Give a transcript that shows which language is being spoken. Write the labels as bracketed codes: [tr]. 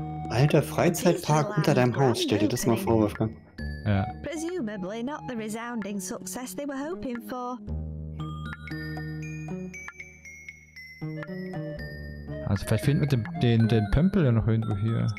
[de] Alter, Freizeitpark unter deinem Haus, stell dir das mal vor, Wolfgang. Ja. [en] Presumably not the resounding success they were hoping for. [de] Also vielleicht finden wir den Pömpel ja noch irgendwo hier.